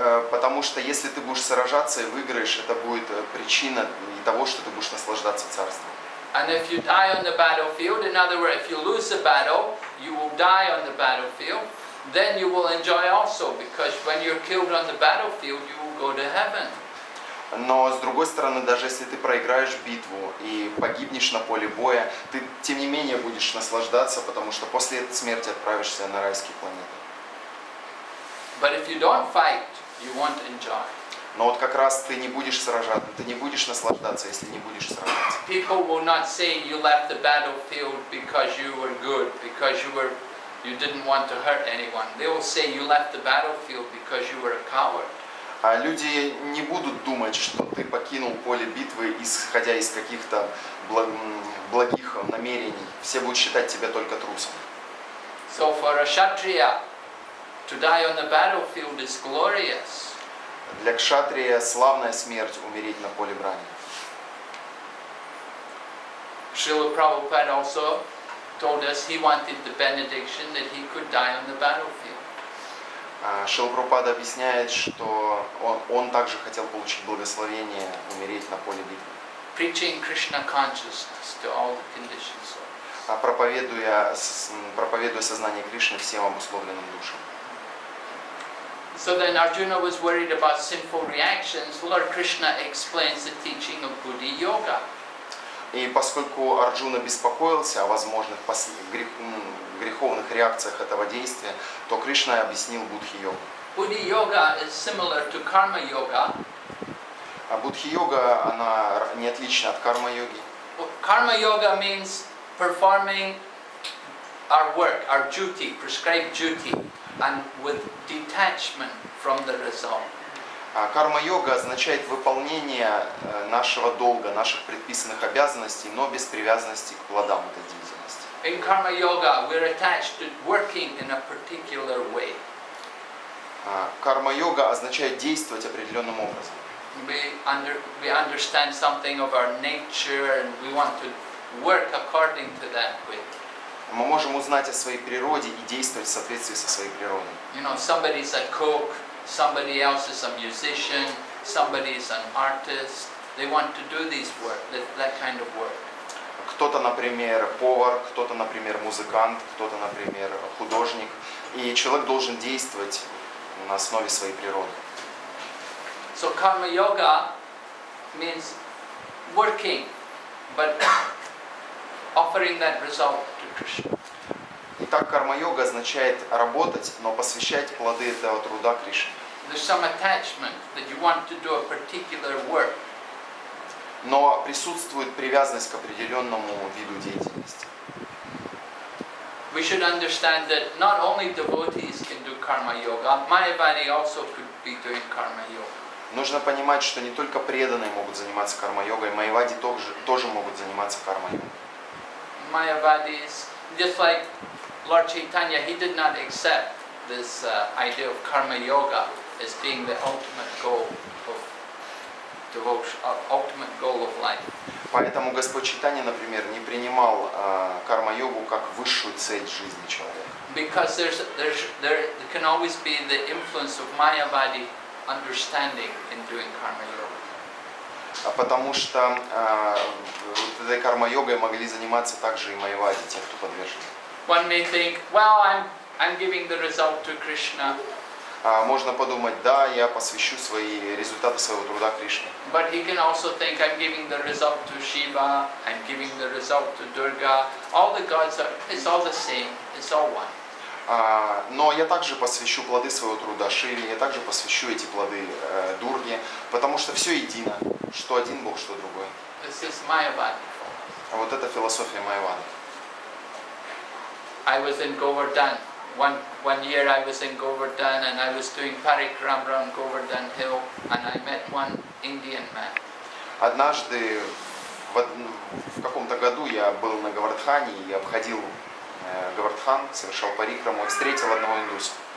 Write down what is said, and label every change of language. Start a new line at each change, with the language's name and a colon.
Russian: Потому что если ты будешь сражаться и выиграешь, это будет причина того, что ты будешь наслаждаться царством.
English: And if you die on the battlefield, in other words, if you lose the battle, you will die on the battlefield, then you will enjoy also, because when you're killed on the battlefield, you will go to heaven.
Russian: Но с другой стороны, даже если ты проиграешь битву и погибнешь на поле боя, ты тем не менее будешь наслаждаться, потому что после смерти отправишься на райские планеты.
English: But if you don't fight, you won't enjoy.
Russian: Но вот как раз ты не будешь сражаться, ты не будешь наслаждаться, если не будешь сражаться.
English: People will not say you left the battlefield because you were good, because you didn't want to hurt anyone. They will say you left the battlefield because you were a coward.
Russian: А люди не будут думать, что ты покинул поле битвы, исходя из каких-то благих намерений. Все будут считать тебя только трусом.
English: So for a kshatriya, to die on the battlefield is glorious.
Russian: Для кшатрия славная смерть — умереть на поле брани.
English: Srila Prabhupada also told us he wanted the benediction that he could die on the battlefield.
Russian: Шрила Прабхупада объясняет, что он также хотел получить благословение умереть на поле битвы.
English: Preaching Krishna consciousness to all the conditioned souls.
Russian: Проповедуя сознание Кришны всем обусловленным душам.
English: So then Arjuna was worried about sinful reactions. Lord Krishna explains the teaching of Buddhi Yoga.
Russian: И поскольку Арджуна беспокоился о возможных греховных реакциях этого действия, то Кришна объяснил Будхи-йогу.
English: Будхи-йога is similar to карма-йога.
Russian: А Будхи-йога, она не отлична от карма-йоги.
English: Карма-йога means performing our work, our duty, prescribed duty, and with detachment from the result.
Russian: Карма-йога означает выполнение нашего долга, наших предписанных обязанностей, но без привязанности к плодам этой деятельности.
English: In karma-yoga, we're attached to working in a particular way.
Russian: Карма-йога означает действовать определенным образом.
English: We understand something of our nature and we want to work according to that way.
Russian: Мы можем узнать о своей природе и действовать в соответствии со своей природой.
English: You know, somebody's a cook, somebody else is a musician, somebody is an artist. They want to do this work, that kind of work.
Russian: Кто-то, например, повар, кто-то, например, музыкант, кто-то, например, художник. И человек должен действовать на основе своей природы.
English: So karma yoga means working, but offering that result to Krishna.
Russian: Итак, карма-йога означает работать, но посвящать плоды этого труда Кришне.
English: There's some attachment that you want to do a particular work.
Russian: Но присутствует привязанность к определенному виду деятельности.
English: We should understand that not only devotees can do karma yoga, Mayavadi also could be doing karma yoga.
Russian: Нужно понимать, что не только преданные могут заниматься карма йогой, Mayavadi тоже могут заниматься карма йогой.
English: Mayavadi is just like Lord Chaitanya, he did not accept this idea of karma yoga as being the ultimate goal of devotion, ultimate goal of life.
Russian: Поэтому Господь Чайтанья, например, не принимал карма-йогу как высшую цель жизни человека.
English: Because there can always be the influence of Mayavadi understanding in doing karma yoga.
Russian: Потому что вот этой карма-йогой могли заниматься также и Mayavadi, те, кто подвержен.
English: One may think, well, I'm giving the result to Krishna.
Russian: Можно подумать, да, я посвящу свои результаты своего труда Кришне.
English: But he can also think, I'm giving the result to Shiva, I'm giving the result to Durga. All the gods are, it's all the same, it's all one.
Russian: Но я также посвящу плоды своего труда Шиве, я также посвящу эти плоды Дурге, потому что все едино, что один Бог, что другой.
English: This is Mayavadi.
Russian: Вот это философия Mayavadi.
English: I was in Govardhan. One year I was in Govardhan and I was doing parikram around Govardhan Hill and I met one Indian man.
Russian: Однажды в каком-то году я был на Говардхане и обходил Говардхан, совершал парикраму и встретил одного индуса.